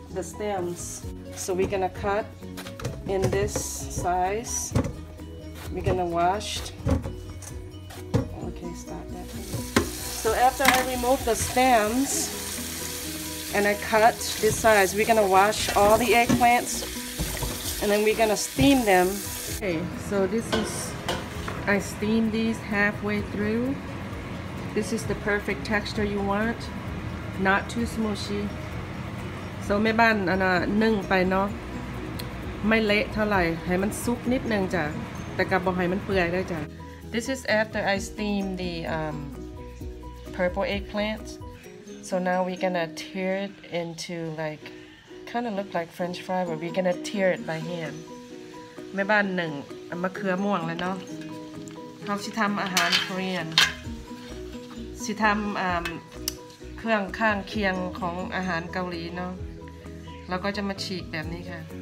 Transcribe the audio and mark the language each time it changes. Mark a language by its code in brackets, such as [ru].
[en] stems so we're gonna cut in this size we're gonna wash okay start that so after I remove the stems and I cut this size we're gonna wash all the eggplantsAnd then we're gonna steam them. Okay, so this is, I steamed these halfway through. This is the perfect texture you want. Not too smushy. [th] So แม่บ้านอ่ะนะนึ่งไปเนาะไม่เละเท่าไหร่ให้มันซุกนิดนึงจ้ะแต่กับบ่ให้มันเปื่อยได้จ้ะ [en] This is after I steam the purple eggplant. So now we're gonna tear it into like,Kind of look like French fry, but we're gonna tear it by hand. [th] แม่บ้านหนึ่งมะเขือม่วงเลยเนาะเขาชิทำอาหารเกาหลีชิทำเครื่องข้างเคียงของอาหารเกาหลีเนาะแล้วก็จะมาฉีกแบบนี้ค่ะ